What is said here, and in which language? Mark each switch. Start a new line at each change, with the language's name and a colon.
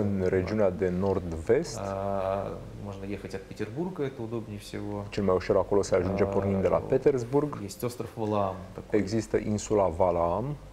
Romanian: în regiunea de nord-vest.
Russian: Можно ехать от Петербурга, это удобнее всего.
Romanian: Cel mai ușor acolo se ajunge pornind de la Petersburg.
Russian: Есть остров Валаам.
Romanian: Există insula Валаам.